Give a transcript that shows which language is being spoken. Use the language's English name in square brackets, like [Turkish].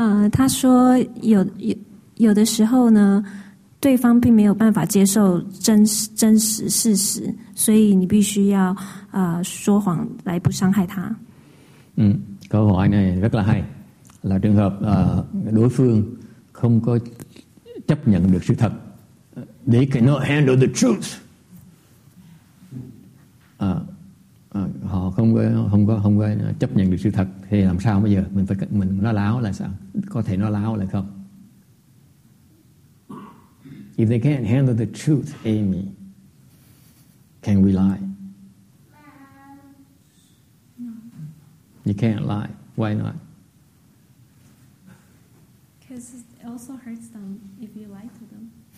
[Chinese] 他说有的时候呢，对方并没有办法接受真实事实，所以你必须要说谎来不伤害他。 [Vietnamese] câu hỏi này rất là hay, là trường hợp đối phương không có chấp nhận được sự thật, [English] they cannot handle the truth. [Vietnamese] Họ không có chấp nhận được sự thật thì làm sao bây giờ mình nói láo là sao, có thể nói láo là không? [English] If they can't handle the truth, Amy, can we lie? No. You can't lie. Why not? Because it also hurts them if you lie to them.